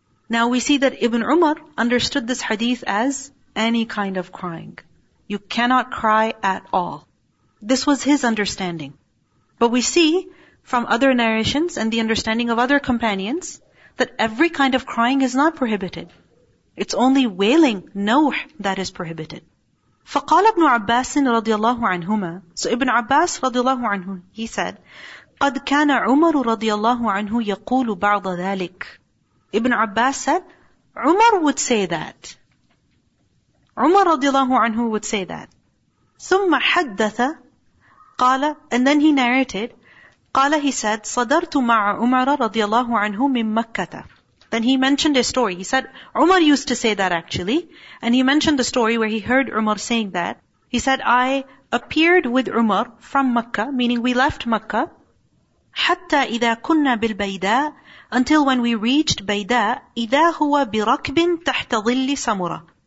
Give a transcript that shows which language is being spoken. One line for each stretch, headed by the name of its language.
English: Now we see that Ibn Umar understood this hadith as any kind of crying. You cannot cry at all. This was his understanding. But we see from other narrations and the understanding of other companions that every kind of crying is not prohibited. It's only wailing, nawh, that is prohibited.
Arabic: فقال ابن عباس رضي الله عنهما.
English: So Ibn Abbas رضي الله عنه, he said,
Arabic: قد كان عمر رضي الله عنه يقول بعض ذلك.
English: Ibn Abbas said, Umar would say that. Umar رضي الله عنه would say that.
Arabic: ثم حدث قال,
English: and then he narrated,
Arabic: قال,
English: he said,
Arabic: صدرت مع عمر رضي الله عنه من مكة.
English: Then he mentioned a story. He said, Umar used to say that actually. And he mentioned the story where he heard Umar saying that. He said, I appeared with Umar from Makkah, meaning we left Makkah.
Arabic: حَتَّى إِذَا كُنَّا بِالْبَيْدَىٰ,
English: until when we reached Bayda,
Arabic: إِذَا هُوَ بِرَكْبٍ تَحْتَ ظِلِّ سَمُرَةٍ.